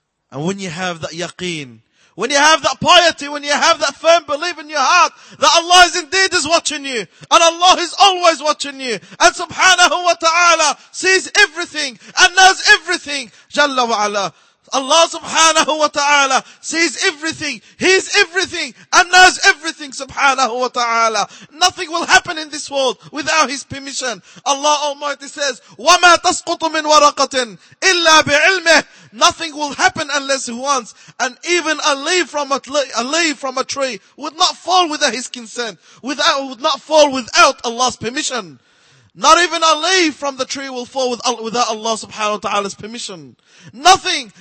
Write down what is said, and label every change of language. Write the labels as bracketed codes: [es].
[en] And when you have that yaqeen, when you have that piety, when you have that firm belief in your heart that Allah is indeed is watching you, and Allah is always watching you, and subhanahu wa ta'ala sees everything and knows everything, jalla wa ala. Allah subhanahu wa ta'ala sees everything, hears everything, and knows everything, subhanahu wa ta'ala. Nothing will happen in this world without His permission. Allah Almighty says, [ar] وَمَا تَسْقُطُ مِنْ وَرَقَةٍ إِلَّا بِعِلْمِهِ. [en] Nothing will happen unless He wants. And even a leaf from a tree would not fall without His consent, would not fall without Allah's permission. Not even a leaf from the tree will fall without Allah subhanahu wa ta'ala's permission. Nothing.